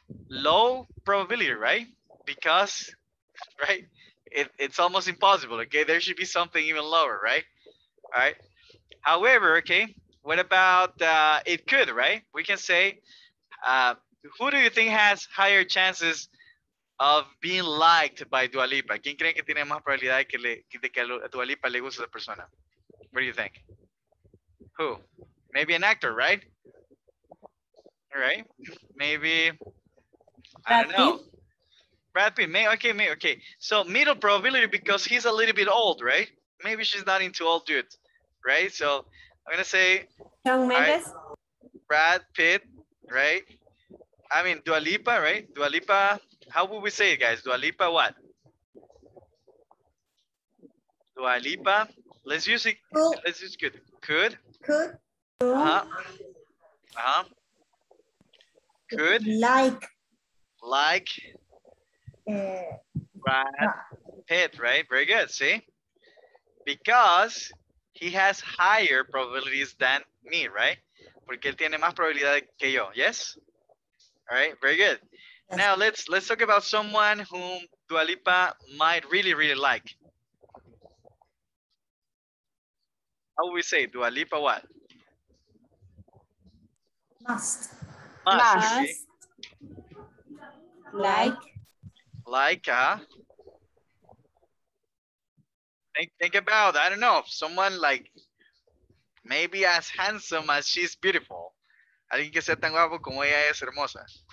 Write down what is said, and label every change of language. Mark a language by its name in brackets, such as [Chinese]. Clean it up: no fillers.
[English] Low probability, right? Because, right, it's almost impossible, okay? There should be something even lower, right? All right. However, okay, what about it could, right? We can say, who do you think has higher chances of being liked by Dua Lipa? [Spanish] ¿Quién cree que tiene más probabilidad de que a Dua Lipa le guste la persona? [English] What do you think? Who? Maybe an actor, right? All right. Maybe, I don't know. Brad Pitt. Okay. So middle probability because he's a little bit old, right? Maybe she's not into old dudes, right? So I'm going to say Young Mendes. Right? Brad Pitt, right? I mean, Dua Lipa, right? Dua Lipa, how would we say it, guys? Dua Lipa what? Dua Lipa. Let's use it. Cool. Let's use good. Could. Could. Uh-huh. Uh-huh. Could. Like. Like. Brad Pitt, right? Very good, see? Because he has higher probabilities than me, right? [Spanish] Porque él tiene más probabilidad que yo, yes? [English] All right, very good. Yes. Now let's talk about someone whom Dua Lipa might really, really like. How would we say Dua Lipa what? Must. Must. Like. Think about, I don't know, if someone like, maybe as handsome as she's beautiful. [Spanish] Alguien que sea tan guapo como ella es hermosa.